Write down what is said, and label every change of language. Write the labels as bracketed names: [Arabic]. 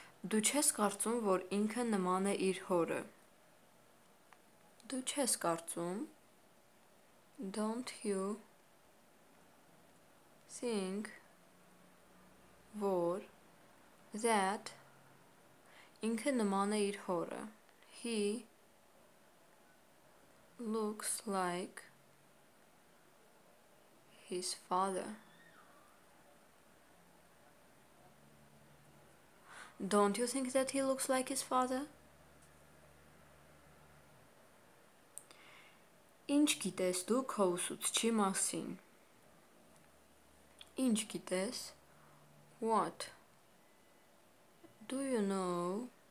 [Armenian] Դու չես կարծում, որ ինքը նման է իր հորը։ Դու չես կարծում։ [English] Don't you think [Armenian] որ [English] that [Armenian] ինքը նման է իր հորը։ [English] He looks like his father. Don't you think that he looks like his father? [Armenian] Ինչ գիտես դու քո ուսուցչի մասին? Ինչ գիտես? [English] What do you know?